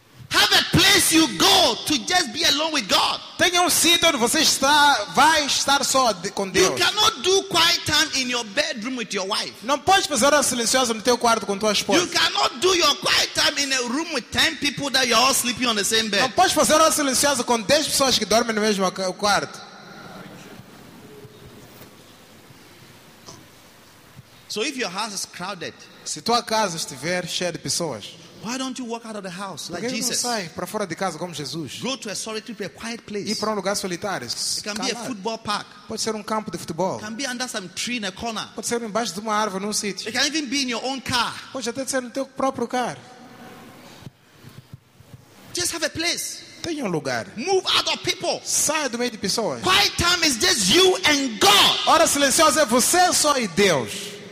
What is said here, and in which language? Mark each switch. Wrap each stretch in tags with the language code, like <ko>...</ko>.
<en>Have a place you go to just be alone with God.</en> <pt>Tenha sítio onde você está, vai estar só com Deus.</pt> <en>You cannot do quiet time in your bedroom with your wife.</en> <pt>Não pode fazer hora silenciosa no teu quarto com tua esposa.</pt> <en>You cannot do your quiet time in a room with 10 people that you're all sleeping on the same bed.</en> <pt>Não pode fazer hora silenciosa com 10 pessoas que dormem no mesmo quarto.</pt> <en>So if your house is crowded,</en> <pt>se tua casa estiver cheia de pessoas,</pt> <en>why don't you walk out of the house like Jesus?</en> <pt>Não sai para fora de casa como Jesus?</pt> <en>Go to a solitary place, a quiet place.</en> <pt>Ir para lugar solitário.</pt> <en>It can calar. Be a football park.</en> <pt>Pode ser campo de futebol.</pt> <en>It can be under some tree in a corner.</en> <pt>Pode ser embaixo de uma árvore num sítio.</pt> <en>It can even be in your own car.</en> <pt>Pode até ser no teu próprio carro.</pt> <en>Just have a place.</en> <pt>Tenha lugar.</pt> <en>Move out of people.</en> <pt>Sai do meio de pessoas.</pt> <en>Quiet time is just you and God.</en> <pt>Hora silenciosa é você só e Deus.</pt>